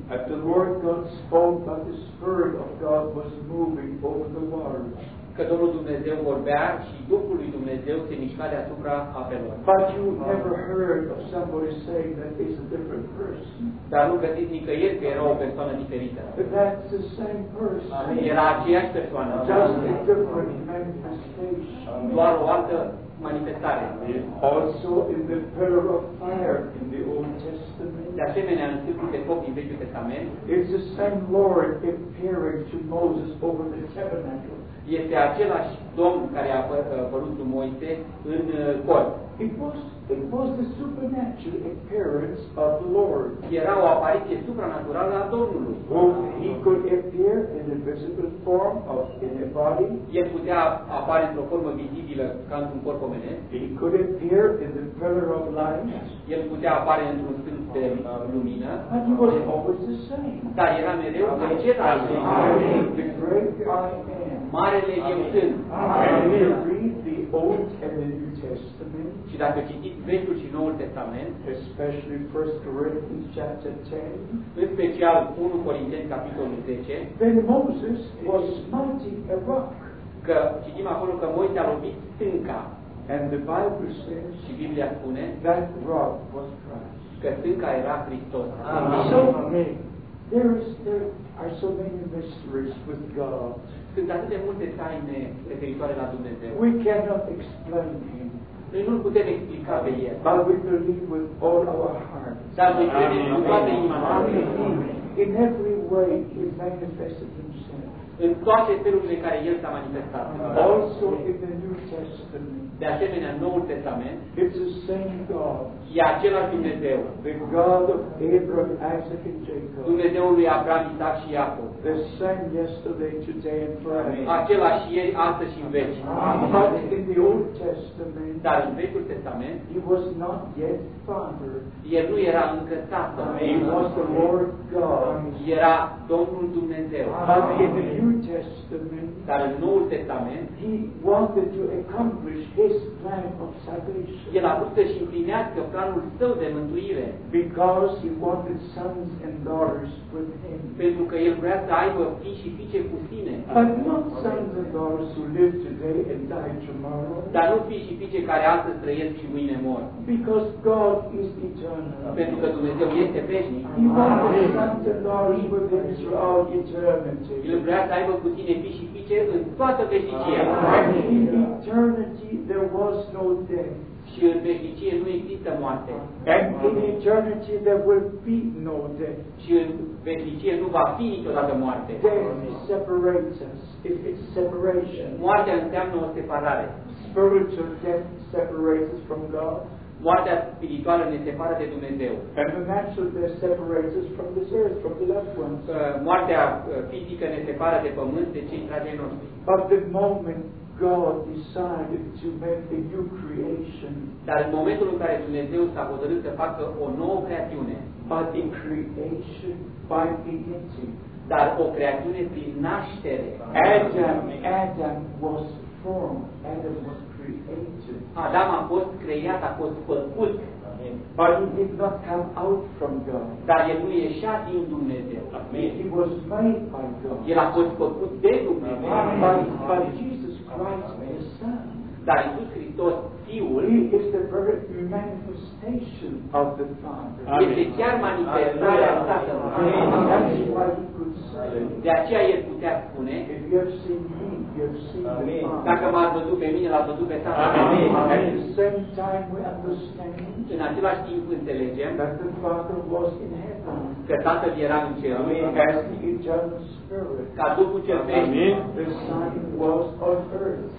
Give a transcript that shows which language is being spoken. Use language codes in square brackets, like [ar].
[en] at the Lord God spoke, but the Spirit of God was moving over the waters. [ro] Că Domnul Dumnezeu vorbea și Duhul lui Dumnezeu se mișca deasupra apelor. [en] But you never heard of somebody saying that he's a different person. [ro] Dar nu găsiți nicăieri că era o persoană diferită. [en] But that's the same person. [ro] Era aceeași persoană. [en] Just a different manifestation. [ro] Doar o altă manifestare. [en] Also in the pillar of fire in the Old Testament. [ro] De asemenea, în stâlpul de foc din Vechiul Testament. [en] It's the same Lord appearing to Moses over the tabernacle. [ro] Este același Domn care a apărut lui Moise în cort. [en] It was the supernatural appearance of the Lord. [ro] Era o apariție supranaturală a Domnului. [en] He could appear in a visible form of in a body. [ro] El putea apare într-o formă vizibilă ca într-un corp omenesc. [en] He could appear in the pillar of light. [ro] El putea apare într-un stâlp de lumină. [en] But he was always the same. [ro] Dar era mereu același. [en] The great I am. [ro] Marele Eu Sunt. [en] And you read the Old and the New Testament. [ro] Și dacă citiți Vechiul și Noul Testament, [en] especially 1 Corinthians chapter 10, [ro] în special 1 Corinteni capitolul 10, [en] then Moses was smiting a rock. [ro] Că citim acolo că Moise a lovit stânca. [en] And the Bible says, [ro] și Biblia spune, [en] that rock was Christ. [ro] Că stânca era Hristos. [en] Amen. So, there are so many mysteries with God. [ro] Sunt atât de multe taine referitoare la Dumnezeu. [en] We cannot explain him. [ro] Noi nu-l putem explica pe el. [en] But we believe with all our hearts. [ro] Dar noi credem cu toată inima. [en] In every way he manifested himself. [ro] În toate felurile care el s-a manifestat. [en] Also in the New Testament. [ro] De asemenea, Noul Testament. [en] It's the same God. [ro] E același Dumnezeu. [en] The God of Abraham, Isaac and Jacob. [ro] Dumnezeul lui Abraham, Isaac și Iacob. [en] The same yesterday, today and forever. [ro] Același ieri, astăzi și în veci. [en] But in the Old Testament. [ro] Dar în Vechiul Testament. [en] He was not yet Father. [ro] El nu era încă Tată. [en] He was the Lord God. [ro] Era Domnul Dumnezeu. [en] Amen. [ro] Dar în Noul Testament, [en] he wanted to accomplish his plan of salvation. [ro] El a vrut să-și împlinească planul său de mântuire. [en] Because he wanted sons and daughters with him. [ro] Pentru că el vrea să aibă fii și fiice cu sine. [en] But not sons and daughters who live today and die tomorrow. [ro] Dar nu fii și fiice care astăzi trăiesc și mâine mor. [en] Because God is eternal. [ro] Pentru că Dumnezeu este veșnic. [en] He wanted sons and daughters with him throughout eternity. [ro] Vrea să aibă cu tine fii și fiice în toată veșnicia. [en] In eternity there was no death. [ro] Și în veșnicie nu există moarte. [en] And in eternity there will be no death. [ro] Și în veșnicie nu va fi niciodată moarte. [en] Death separates us. If it's separation. [ro] Moartea înseamnă o separare. [en] Spiritual death separates us from God. [ro] Moartea spirituală ne separă de Dumnezeu. [en] And the natural death separates us from this earth, from the loved ones. [ro] Moartea fizică ne separă de pământ, de cei dragi noștri. [en] But the moment God decided to make a new creation. [ro] Dar în momentul în care Dumnezeu s-a hotărât să facă o nouă creațiune. [en] But the creation by beginning. [ro] Dar o creațiune prin naștere. [en] Adam was formed. Adam was [ro] Adam a fost creat, a fost făcut. [en] But he did not come out from God. [ro] Dar el nu ieșea din Dumnezeu. [en] Amen. He was made by God. [ro] El a fost făcut de Dumnezeu. [en] But Jesus Christ, the Son. [ro] Dar Iisus Hristos, Fiul, [en] he is the very manifestation of the Father. [ro] Este chiar manifestarea Tatălui. [en] That's why he could say. [ro] De aceea el putea spune. [en] If you have seen me, you have seen the Father. [ro] Dacă m-a văzut pe mine, l-a văzut pe Tatăl. [en] At the same time we understand. [ro] În același timp înțelegem. [en] That the Father was in heaven. [ro] Că Tatăl era în cer. [en] As the eternal Spirit. [ro] Ca Duhul cel veșnic. [en] The Son was on earth.